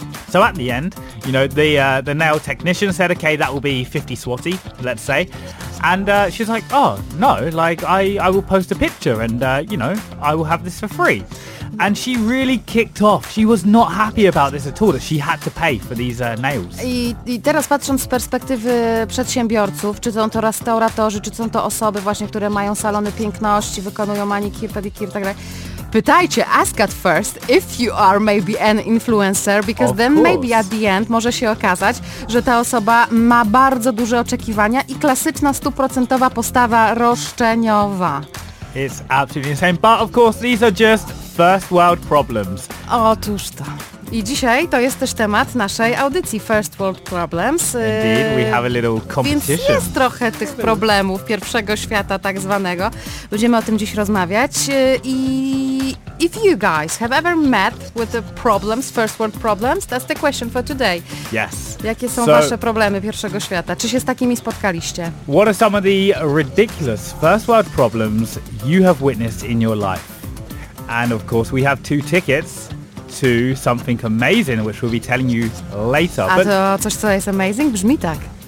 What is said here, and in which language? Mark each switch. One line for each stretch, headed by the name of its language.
English: So at the end, you know, the nail technician said, okay, that will be 50 swati, let's say. And she's like, oh, no, like, I will post a picture and, you know, I will have this for free. And she really kicked off. She was not happy about this at all, that she had to pay for these nails.
Polish: I teraz patrząc z perspektywy przedsiębiorców, czy są to restauratorzy, czy są to osoby właśnie, które mają salony piękności, wykonują manikir, pedikir, tak dalej. Pytajcie,
English: ask at first if you are maybe an influencer, because of then course. Maybe at the end
Polish: może się okazać, że ta osoba ma bardzo duże oczekiwania i klasyczna stuprocentowa postawa roszczeniowa.
English: It's absolutely insane, but of course these are just first world problems.
Polish: Otóż to. I dzisiaj to jest też temat naszej audycji First World Problems.
English: Indeed, we have a little competition.
Polish: Więc jest trochę tych problemów pierwszego świata tak zwanego. Będziemy o tym dziś rozmawiać.
English: I if you guys have ever met with the problems, first world problems, that's the question for today. Yes.
Polish: Jakie są wasze problemy pierwszego świata? Czy się z takimi spotkaliście?
English: What are some of the ridiculous first world problems you have witnessed in your life? And of course we have two tickets to something amazing, which we'll be telling you later.
Polish: A to coś, co jest amazing, brzmi tak.